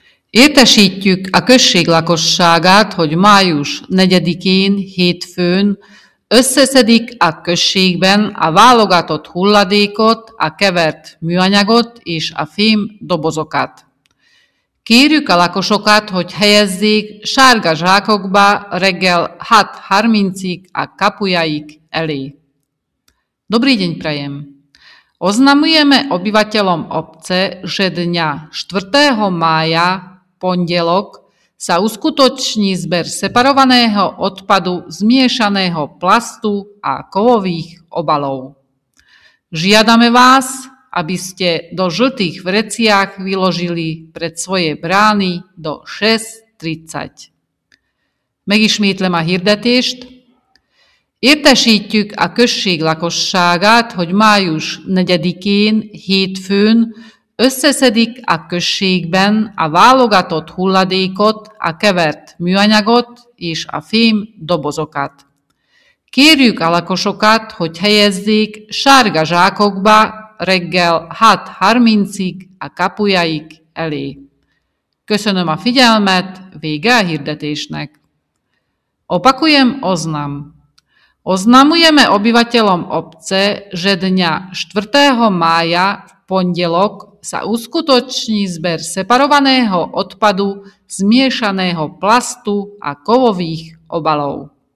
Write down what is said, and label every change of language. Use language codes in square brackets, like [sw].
[hu] Értesítjük a község lakosságát, hogy május 4-én, hétfőn összeszedik a községben a válogatott hulladékot, a kevert műanyagot és a fém dobozokat. Kérjük a lakosokat, hogy helyezzék sárga zsákokba reggel 6:30-ig a kapujaik elé. [sk] Dobrý deň prajem! Oznamujeme obyvateľom obce, že dňa 4. mája, pondelok, sa uskutoční zber separovaného odpadu zmiešaného plastu a kovových obalov. Žiadame vás, aby ste do žltých vreciach vyložili pred svoje brány do 6:30. [hu] Megismétlem a hirdetést. Értesítjük a község lakosságát, hogy május 4-én, hétfőn összeszedik a községben a válogatott hulladékot, a kevert műanyagot és a fém dobozokat. Kérjük a lakosokat, hogy helyezzék sárga zsákokba reggel 6:30-ig a kapujaik elé. Köszönöm a figyelmet, vége a hirdetésnek. [sk] Opakujem oznam. Oznamujeme obyvateľom obce, že dňa 4. mája v pondelok sa uskutoční zber separovaného odpadu zmiešaného plastu a kovových obalov.